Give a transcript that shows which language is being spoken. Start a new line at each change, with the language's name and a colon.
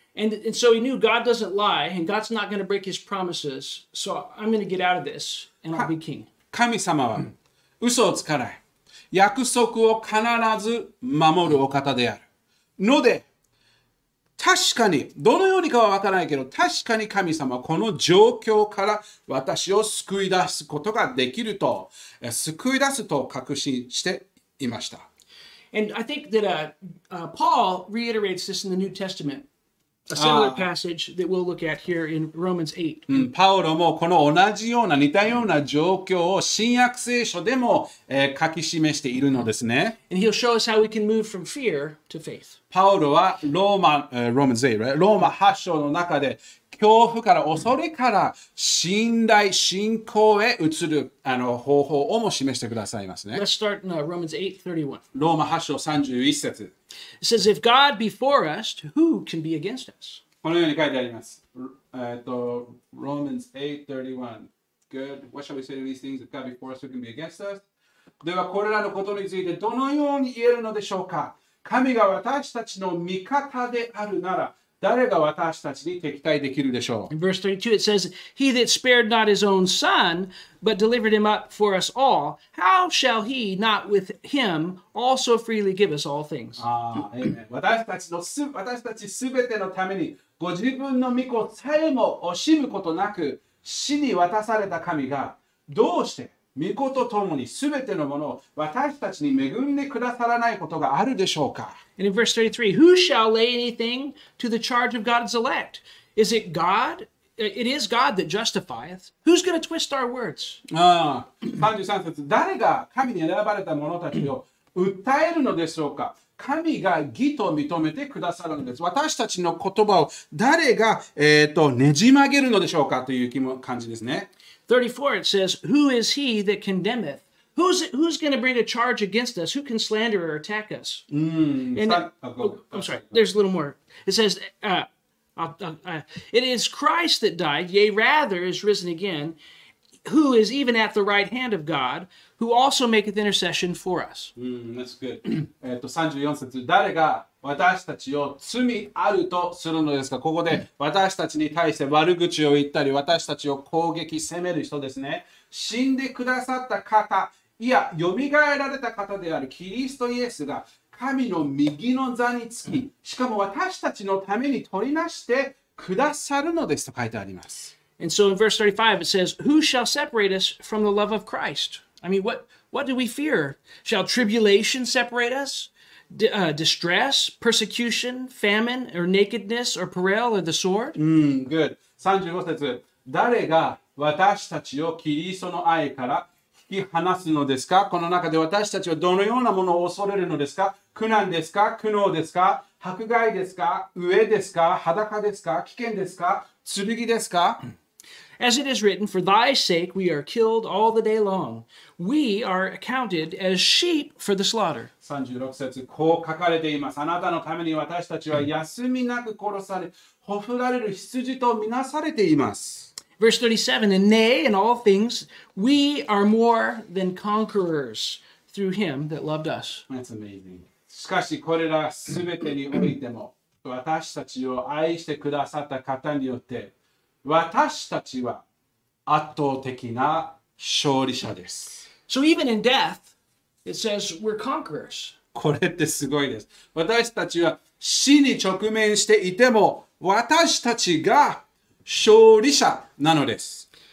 English: And so he knew God doesn't lie, and God's not going to break his promises, so I'm going to get out of this, and I'll be king.
Japanese: 神様は嘘をつかない。約束を必ず守るお方である。ので、確かに、どのようにかはわからないけど、確かに神様はこの状況から私を救い出すことができると、救い出すと確信していました。
English: And I think that Paul reiterates this in the New Testament. A similar passage that we'll look at here in Romans 8.
Japanese: パウロもこの同じような似たような状況を新約聖書でも、書き示しているのですね。
English: And he'll show us how we can move from fear to faith.
Japanese: パウロは
English: Romans 8, right?
Japanese: ローマ8章の中で恐怖から恐れから信頼信仰へ移る方法をも示してくださいますね。
English: Let's start in Romans 8:31.
Japanese: ローマ8章31節。
English: It says, if God be for us, who can be against us?
Japanese: このように書いてあります。
English: Romans 8:31. Good. What shall we say to these things? If God be for us, who can be against us?
Japanese: ではこれらのことについてどのように言えるのでしょうか。神が私たちの味方であるなら、誰が私たちに敵対できるでしょう。
English: In verse 32, it says, He that spared not his own son, but delivered him up for us all, how shall he not with him also freely give us all things? Amen.
Japanese: 私たちすべてのために、ご自分の御子さえも惜しむことなく、死に渡された神が、どうして御子と共にすべてのものを私たちに恵んでくださらないことがあるでしょうか。
English: And in verse 33, who shall lay anything to the charge of God's elect? Is it God? It is God that justifieth. Who's going to twist our words?
Japanese: 33節、誰が神に選ばれた者たちを訴えるのでしょうか。神が義と認めてくださるのです。私たちの言葉を誰が、ねじ曲げるのでしょうかという感じですね。
English: 34, it says, Who is he that condemneth? Who's going to bring a charge against us? Who can slander or attack us? There's a little more. It says, It is Christ that died, yea, rather is risen again, who is even at the right hand of God, who also maketh intercession for us. That's good.
Japanese: 私たちを罪あるとするのですか。ここで私たちに対して悪口を言ったり、私たちを攻撃、責める人ですね。死んでくださった方、いや、蘇られた方であるキリストイエスが、神の右の座につき、しかも私たちのために取りなしてくださるのですと書いてあります。
English: And so in verse 35 it says, Who shall separate us from the love of Christ? I mean, what do we fear? Shall tribulation separate us? Distress, persecution, famine, or nakedness, or peril, or the sword? Good.
Japanese: 35節。誰が私たちをキリストの愛から引き離すのですか？この中で私たちはどのようなものを恐れるのですか？苦難ですか？苦悩ですか？迫害ですか、飢えですか、裸ですか、危険ですか、剣ですか。
English: As it is written, for thy sake we are killed all the day long. We are accounted as sheep for the slaughter.
Japanese: 36節、こう書かれています。あなたのために私たちは休みなく殺され、ほふられる羊とみなされています。
English: Verse 37, and nay, in all things, we are more than conquerors through him that loved us. That's amazing.
Japanese: しかしこれらすべてにおいても、私たちを愛してくださった方によって、私たちは圧倒的な勝利者です。
English: So even in death, it says we're conquerors.
Japanese: これってすごいです。私たちは死に直面していても、私たちが勝利者なのです。